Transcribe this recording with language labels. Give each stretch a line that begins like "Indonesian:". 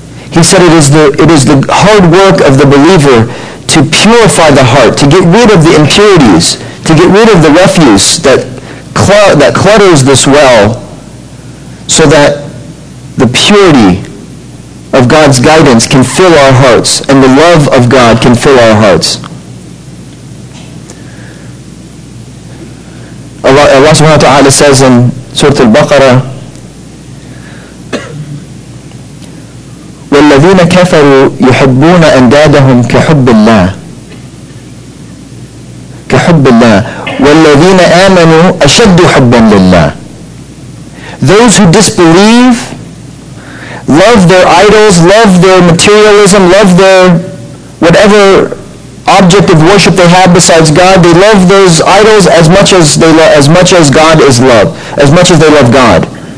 English: He said it is the hard work of the believer to purify the heart, to get rid of the impurities, to get rid of the refuse that clutters this well, so that the purity of God's guidance can fill our hearts and the love of God can fill our hearts.
Arabic: Allah subhanahu wa ta'ala says in Surah Al-Baqarah, وَالَّذِينَ كَفَرُوا يُحِبُّونَ أَنْدَادَهُمْ كَحُبِّ اللَّهِ كَحُبِّ اللَّهِ وَالَّذِينَ آمَنُوا أَشَدُّ حُبًّا لِلَّهِ.
English: Those who disbelieve love their idols, love their materialism, love their whatever object of worship they have besides God. They love those idols as much as they love God.